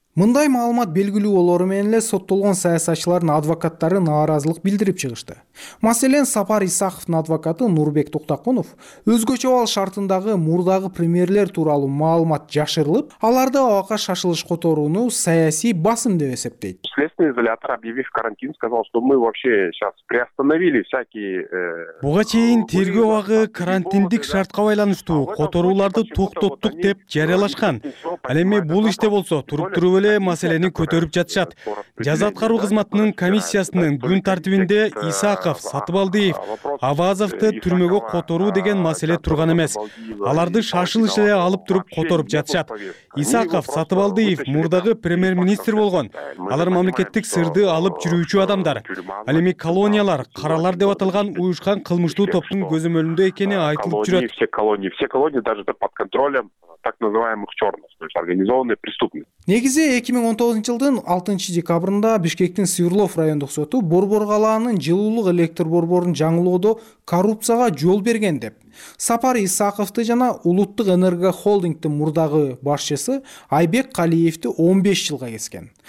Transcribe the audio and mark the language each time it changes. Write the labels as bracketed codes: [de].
[ky] Мындай маалымат белгилүү болору менен эле соттолгон саясатчылардын адвокаттары нааразылык билдирип чыгышты. Маселен, Сапар Исаковдун адвокаты Нурбек Токтокунов өзгөчө абал шартындагы мурдагы премьерлер тууралуу маалымат жашырылып, аларды абакка шашылыш которууну саясий басым деп эсептейт. [ru] Следственный изолятор, объявив карантин, сказал, что мы вообще сейчас приостановили всякие... [ky] Буга чейин тергөө абагы карантиндик шартка байланыштуу которууларды токтоттук деп жарыялашкан. Ал эми бул иште болсо, туруп туруп эле маселени көтөрүп жатышат. Жаза аткаруу кызматынын комиссиясынын күн тартибинде Исаков, Сатыбалдиев, Авазовду түрмөгө которуу деген маселе турган эмес. Аларды шашылыш эле алып туруп которуп жатышат. Исаков, Сатыбалдиев мурдагы премьер-министр болгон. Алар мамлекеттик сырды алып жүрүүчү адамдар. Ал эми колониялар каралар деп аталган уюшкан кылмыштуу топтун көзөмөлүндө экени айтылып жүрөт. [ru] Все колонии, все колонии даже под контролем так называемых чёрных, то есть организованной преступности. [ky] Негизи 2019 жылдын 6 декабрында Бишкектин Свердлов райондук соту Борбор калаанын жылуулук электр борборун жаңылоодо коррупцияга жол берген деп Сапар Исаковду жана Улуттук Энерго Холдингдин мурдагы башчысы Айбек Калиевди 15 жылга кескен.